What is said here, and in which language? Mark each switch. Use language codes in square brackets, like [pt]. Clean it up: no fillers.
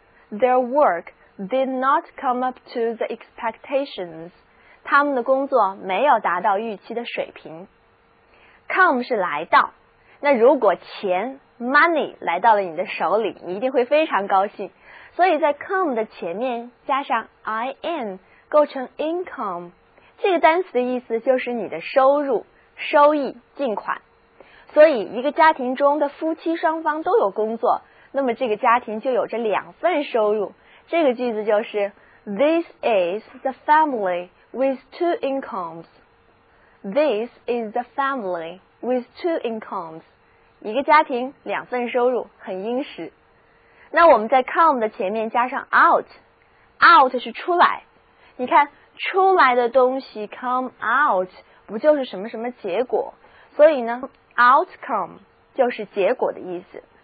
[en] Their work did not come up to the expectations. [zh] 他们的工作没有达到预期的水平。 Come 是来到，那如果钱 money 来到了你的手里，你一定会非常高兴。所以在 come 的前面加上 in 构成 income， 这个单词的意思就是你的收入、收益、进款。所以一个家庭中的夫妻双方都有工作，那么这个家庭就有着两份收入。这个句子就是 [en] This is the family with two incomes. This is the family with two incomes. [zh] 一个家庭两份收入很殷实。那我们在 come 的前面加上 out 是出来，你看出来的东西 come out 不就是什么什么结果，所以呢 outcome 就是结果的意思。